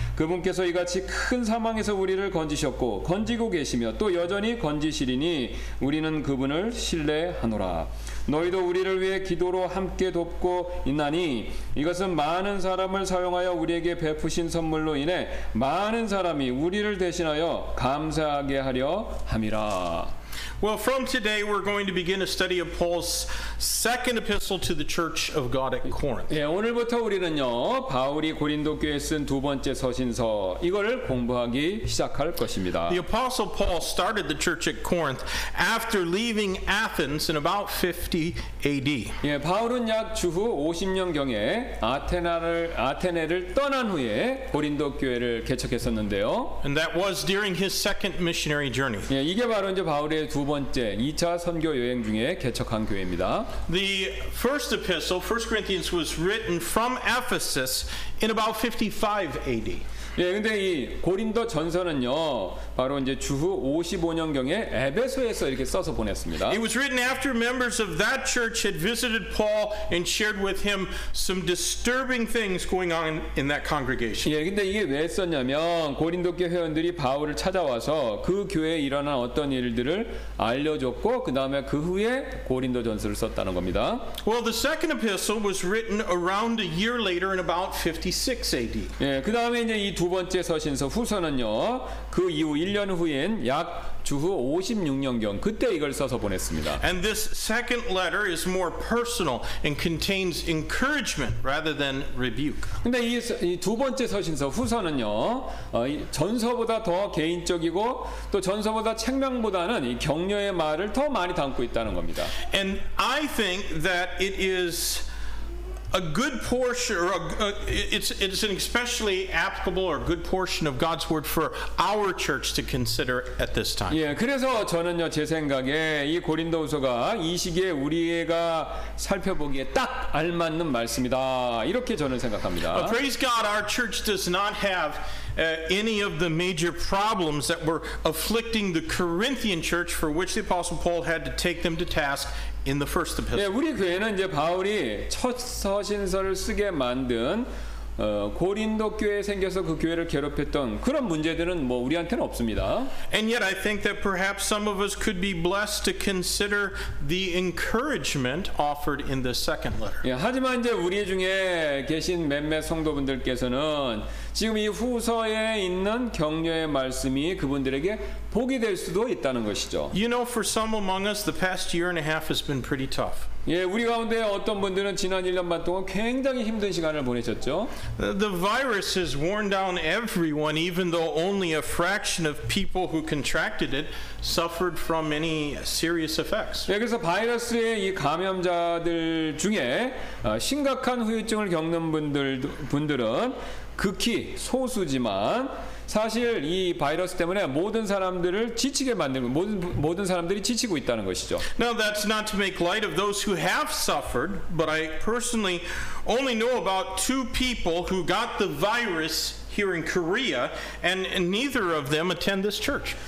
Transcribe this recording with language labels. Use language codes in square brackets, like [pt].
[ko] 그분께서 이같이 큰 사망에서 우리를 건지셨고 건지고 계시며 또 여전히 건지시리니 우리는 그분을 신뢰하노라. 너희도 우리를 위해 기도로 함께 돕고 있나니 이것은 많은 사람을 사용하여 우리에게 베푸신 선물로 인해 많은 사람이 우리를 대신하여 감사하게 하려 함이라. [en] Well, from today we're going to begin a study of Paul's second epistle to the church of God at Corinth. [ko] 예, 오늘부터 우리는요, 바울이 고린도 교회에 쓴 두 번째 서신서 이거를 공부하기 시작할 것입니다. [en] The apostle Paul started the church at Corinth after leaving Athens in about 50 AD. [ko] 예, 바울은 약 주후 50년경에 아테네를 떠난 후에 고린도 교회를 개척했었는데요. [en] And that was during his second missionary journey. [ko] 예, 이게 바로 이제 바울의 두 번째 2차 선교 여행 중에 개척한 교회입니다. [en] The first epistle, 1 Corinthians, was written from Ephesus in about 55 AD. [ko] 예, 근데 이 고린도 전서는요, 바로 이제 주후 55년경에 에베소에서 이렇게 써서 보냈습니다. [en] It was written after members of that church had visited Paul and shared with him some disturbing things going on in that congregation. [ko] 예, 근데 이게 왜 썼냐면 고린도 교회 회원들이 바울을 찾아와서 그 교회에 일어난 어떤 일들을 알려줬고 그 다음에 그 후에 고린도 전서를 썼다는 겁니다. [en] Well, the second epistle was written around a year later in about 56 AD. [ko] 예, 그 다음에 이제 이 두 번째 서신서 후서는요, 그 이후 1년 후인 약 주후 56년경 그때 이걸 써서 보냈습니다. [en] And this second letter is more personal and contains encouragement rather than rebuke. [ko] 근데 이 두 번째 서신서 후서는요, 전서보다 더 개인적이고 또 전서보다 책망보다는 이 격려의 말을 더 많이 담고 있다는 겁니다. [en] And I think that it is a good portion, or it's an especially applicable or good portion of God's word for our church to consider at this time. [ko] 예, 그래서 저는요 제 생각에 이 고린도후서가 이 시기에 우리가 살펴보기에 딱 알맞는 말씀이다 이렇게 저는 생각합니다. [en] Praise God, our church does not have any of the major problems that were afflicting the Corinthian church for which the Apostle Paul had to take them to task. In the first epistle. [ko] 예, 우리 교회는 이제 바울이 첫 서신서를 쓰게 만든 고린도 교회에 생겨서 그 교회를 괴롭혔던 그런 문제들은 뭐 우리한테는 없습니다. [en] And yet I think that perhaps some of us could be blessed to consider the encouragement offered in the second letter. [ko] 예, 하지만 이제 우리 중에 계신 몇몇 성도분들께서는 지금 이 후서에 있는 격려의 말씀이 그분들에게 복이 될 수도 있다는 것이죠. [en] You know, for some among us, the past year and a half has been pretty tough. [ko] 예, 우리 가운데 어떤 분들은 지난 1년 반 동안 굉장히 힘든 시간을 보내셨죠. [en] The virus has worn down everyone, even though only a fraction of people who contracted it suffered from any serious effects. [ko] 예, 그래서 바이러스의 이 감염자들 중에 심각한 후유증을 겪는 분들은 극히 소수지만 사실 이 바이러스 때문에 모든 사람들을 지치게 만드는 모든 사람들이 지치고 있다는 것이죠. [en] Now that's not to make light of those who have suffered, but I personally only know about two people who got the virus here in Korea, and neither of them attend this church.